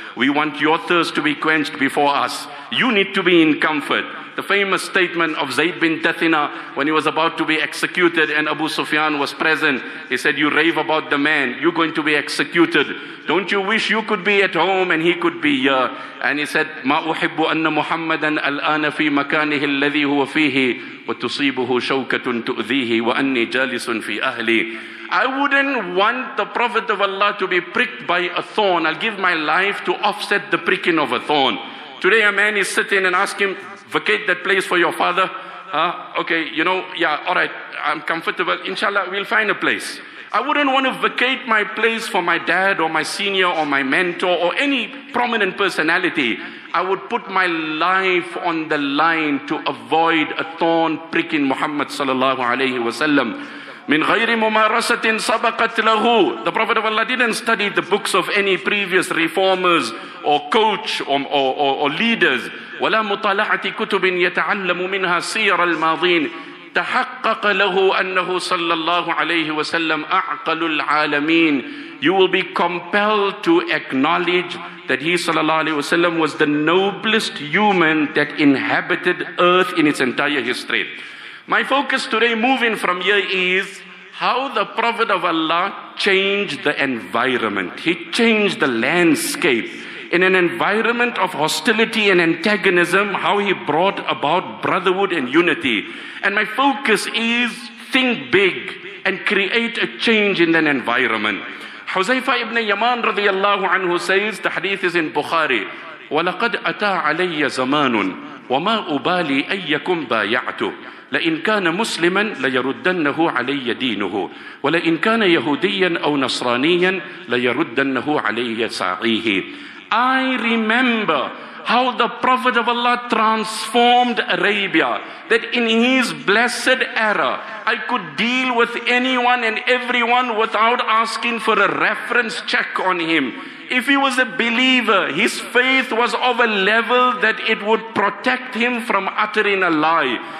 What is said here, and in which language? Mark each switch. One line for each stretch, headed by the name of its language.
English: We want your thirst to be quenched before us. You need to be in comfort. The famous statement of Zayd bin Dathina when he was about to be executed and Abu Sufyan was present. He said, you rave about the man, you're going to be executed. Don't you wish you could be at home and he could be here? And he said,
Arabic: مَا أُحِبُّ أَنَّ مُحَمَّدًا أَلْآنَ فِي مَكَانِهِ الَّذِي هُوَ فِيهِ وَتُصِيبُهُ شَوْكَةٌ تُؤْذِيهِ وَأَنِّي جَالِسٌ فِي أَهْلِي.
English: I wouldn't want the Prophet of Allah to be pricked by a thorn. I'll give my life to offset the pricking of a thorn. Today a man is sitting and asking, vacate that place for your father. Okay, you know, yeah, all right, I'm comfortable. Inshallah, we'll find a place. I wouldn't want to vacate my place for my dad or my senior or my mentor or any prominent personality. I would put my life on the line to avoid a thorn pricking Muhammad sallallahu alayhi wa sallam.
Arabic: Min ghayri mumarasatin sabaqat lahu.
English: The Prophet of Allah didn't study the books of any previous reformers or coach or leaders.
Arabic: Wala mutala'ati kutubin yata'allamu minha sir al-madin. تحقق له أنه صلى الله عليه وسلم أعقل العالمين.
English: You will be compelled to acknowledge that he
Arabic: صلى الله عليه وسلم
English: was the noblest human that inhabited earth in its entire history. My focus today, moving from here, is how the Prophet of Allah changed the environment. He changed the landscape. In an environment of hostility and antagonism, how he brought about brotherhood and unity. And my focus is think big and create a change in an environment.
Arabic: Huzaifa ibn Yaman radiallahu anhu
English: says, the hadith is in Bukhari,
Arabic: وَلَقَدْ أَتَى عَلَيَّ زَمَانٌ وَمَا أُبَالِي أَيَّكُمْ بَايَعْتُ لَإِنْ كَانَ مُسْلِمًا لَيَرُدَّنَّهُ عَلَيَّ دِينُهُ وَلَإِنْ كَانَ يَهُودِيًّا أَوْ نَصْرَانِيًّا لَيَرُدَّنَّهُ عَلَيَّ سَعِيهِ.
English: I remember how the Prophet of Allah transformed Arabia, that in his blessed era, I could deal with anyone and everyone without asking for a reference check on him. If he was a believer, his faith was of a level that it would protect him from uttering a lie.